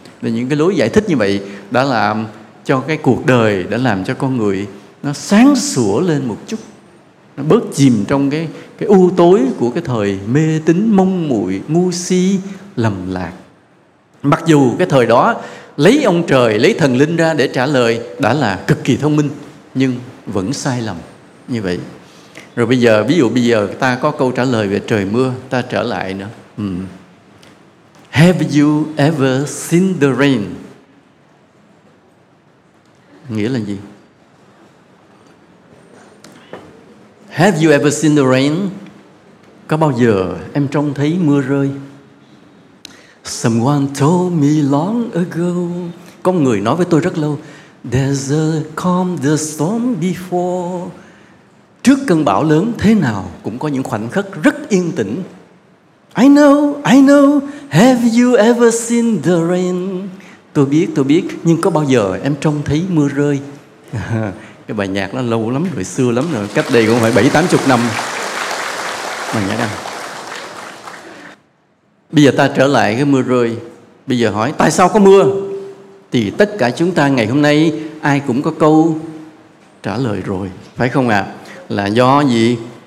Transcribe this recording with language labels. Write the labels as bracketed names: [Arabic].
[Vietnamese] Là những cái lối giải thích như vậy đã làm cho cái cuộc đời, đã làm cho con người nó sáng sủa lên một chút, nó bớt chìm trong cái u tối của cái thời mê tín mông muội, ngu si lầm lạc. Mặc dù cái thời đó lấy ông trời, lấy thần linh ra để trả lời đã là cực kỳ thông minh, nhưng vẫn sai lầm như vậy. Rồi bây giờ, ví dụ bây giờ ta có câu trả lời về trời mưa, ta trở lại nữa. [English] Have you ever seen the rain? [Vietnamese] Nghĩa là gì? [English] Have you ever seen the rain? [Vietnamese] Có bao giờ em trông thấy mưa rơi? [English] Someone told me long ago. [Vietnamese] Có người nói với tôi rất lâu. [English] There's a calm the storm before. [Vietnamese] Trước cơn bão lớn thế nào cũng có những khoảnh khắc rất yên tĩnh. [English] I know. Have you ever seen the rain? [Vietnamese] Tôi biết. Nhưng có bao giờ em trông thấy mưa rơi? Cái bài nhạc nó lâu lắm rồi, xưa lắm rồi, cách đây cũng phải 70-80 năm. Mà nhạc đang. Bây giờ ta trở lại cái mưa rơi. Bây giờ hỏi tại sao có mưa? Thì tất cả chúng ta ngày hôm nay ai cũng có câu trả lời rồi, phải không ạ? Là do gì?